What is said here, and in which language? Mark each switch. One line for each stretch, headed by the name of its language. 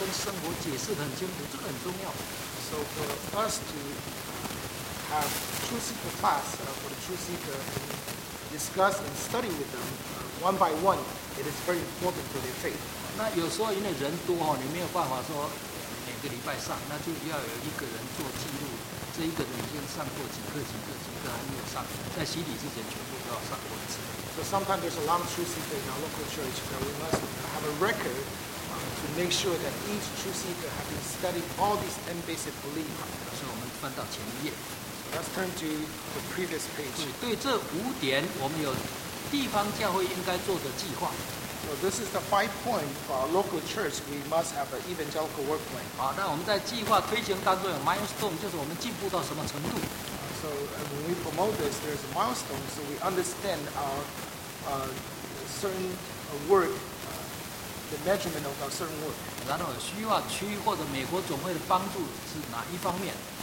Chinese: 所以这个慕道者班哦，一课一课把它上得很详细，然后跟生活解释得很清楚，这个很重要。
English: So for us to have true seeker class for the true seeker, discuss and study with them one by one, it is very important for their faith.
Chinese: 那有时候因为人多哦，你没有办法说每个礼拜上，那就要有一个人做记录，这一个人已经上过几课，几课，几课还没有上，在洗礼之前全部都要上过一次。
English: So sometimes there's a lot of true seekers in our local church that we must have a record to make sure that each true seeker has been studying all these basic beliefs.
Chinese: 所以我们翻到前一页。
English: Let's turn to the previous page.
Chinese: 对这五点，我们有地方教会应该做的计划。
English: So this is the 5 points for our local church. We must have an evangelical work plan.
Chinese: 好，那我们在计划推行当中有 milestone， 就是我们进步到什么程度。
English: So when we promote this, there's a milestone, so we understand our certain work, the measurement of our certain work.
Chinese: 然后需要区或者美国总会的帮助是哪一方面？